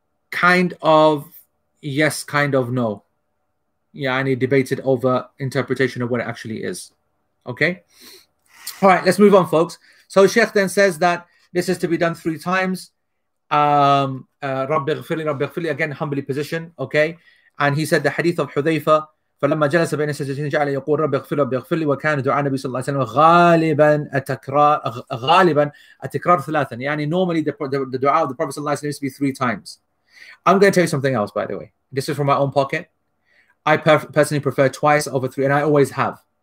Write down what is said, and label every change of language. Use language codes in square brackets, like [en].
[en] Kind of yes, kind of no. Yeah, and he debated over interpretation of what it actually is. Okay? All right, let's move on, folks. So Sheikh then says that this is to be done three times. [ar] Rabbi ghafirli, Rabbi ghafirli, [en] again, humbly position. Okay? And he said the hadith of Hudhayfa, [ar] فلما جلس بين السجدتين جعل يقول رب اغفر رب اغفر لي وكان دعاء النبي صلى الله عليه وسلم غالبا التكرار غالبا التكرار ثلاثا يعني [en] normally the dua of the Prophet صلى الله عليه وسلم used to be three times. I'm going to tell you something else, by the way. This is from my own pocket. I personally prefer twice over three, and I always have.